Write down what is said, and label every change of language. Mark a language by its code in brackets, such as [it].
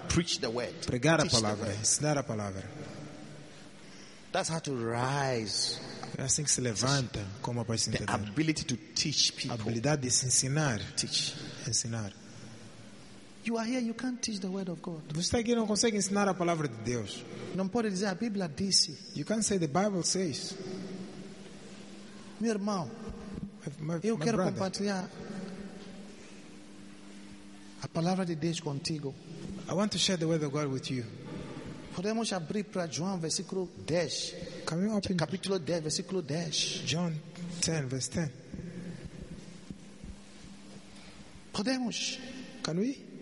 [en] Preach the word. [pt] Pregar a palavra. Ensinar a palavra. [en] That's how to rise. [pt] É assim que se levanta como para se entender. [en] The ability to teach people. [pt] Habilidade de se ensinar. [en] Teach. [pt] Ensinar. [en] You are here, you can't teach the word of God. [pt] Você está aqui, não consegue ensinar a palavra de Deus. Não pode dizer a Bíblia diz. [en] You can't say the Bible says. [pt] Meu irmão, eu quero compartilhar a palavra de Deus contigo. [en] I want to share the word of God with you. [pt] Podemos abrir para João versículo 10. [en] Can we open [pt] capítulo 10 versículo 10? [en] John 10 verse 10. [pt] Podemos? [en] Can we?